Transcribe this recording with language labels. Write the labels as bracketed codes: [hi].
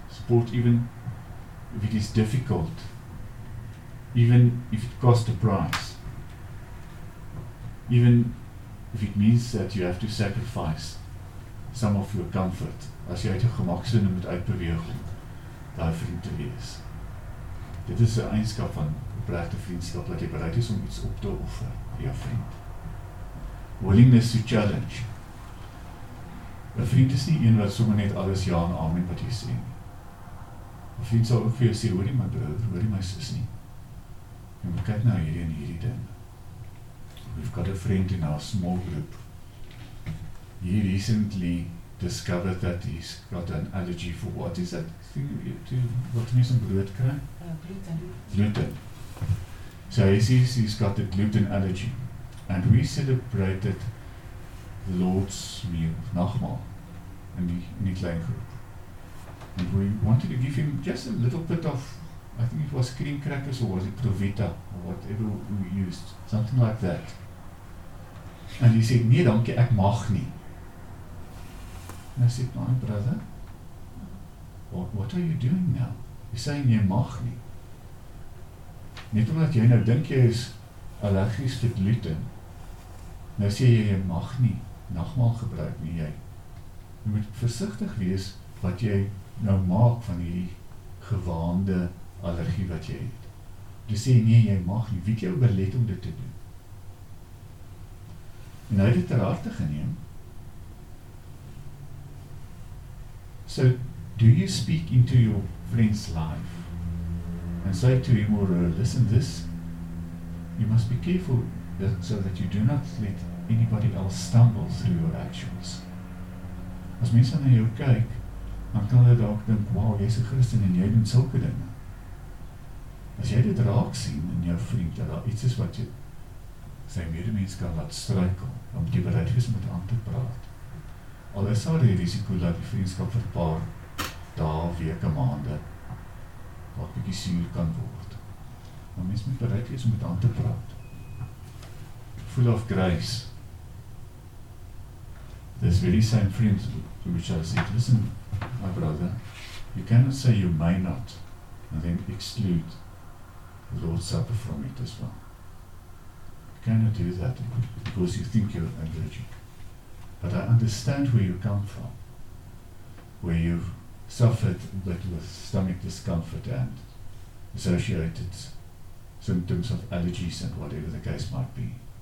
[en] Support even if it is difficult. Even if it costs a price. Even if it means that you have to sacrifice some of your comfort. [af] As jy uit jou gemaksin moet uitbeweeg om daai vriend te wees. Dit is 'n eienskap van 'n regte vriendskap, dat jy bereid is om iets op te offer vir jou vriend. [en] Willingness to challenge. [af] 'N vriend is nie een wat sommer net alles ja en amen wat jy sê nie. 'N vriend sal ook vir jou sê, hoor nie my broer, hoor nie my sis nie. Jy moet kyk nou hierdie en hierdie ding. [en] We've got a friend in our small group. He recently discovered that he's got an allergy for what is that thing to, [af] wat mense in brood kry? [en] Gluten. So he says he's got the gluten allergy. And we celebrated the Lord's meal, Nachmal, in the klein group. And we wanted to give him just a little bit of, I think it was cream crackers or was it Provita or whatever we used, something like that. And he said, [af] nee dankie, ek mag nie. [en] And I said, my brother, what are you doing now? You're saying [af] jy mag nie. Net omdat jy nou dink jy is allergisch vir gluten, nou sê jy mag nie. Nagmaal gebruik nie jy. Jy moet versigtig wees wat jy nou maak van die gewaande allergie wat jy het. Jy sê nie, jy mag nie. Wie het jou belet om dit te doen? En hy het dit ter harte geneem. [en] So, do you speak into your friend's life and say to him or her, listen this, you must be careful that, so that you do not let anybody else stumble through your actions. [af] As mense na jou kyk, dan kan hulle dalk dink, wow, jy is 'n Christen en jy doen sulke dinge. As jy dit raak sien in jou vriend, dat daar iets is wat jy sy medemens kan laat struikel, dan moet jy bereid wees met aan te praat. Al is daar die risiko dat die vriendskap vir paar dae, weke, maande wat bietjie suur kan word. Maar mense moet bereid wees met aan te praat. [en] Full of grace. this very same friend to which I said, listen, my brother, you cannot say you may not, and then exclude the Lord's Supper from it as well. You cannot do that because you think you're allergic. But I understand where you come from, where you've suffered a bit with stomach discomfort and associated symptoms of allergies and whatever the case might be.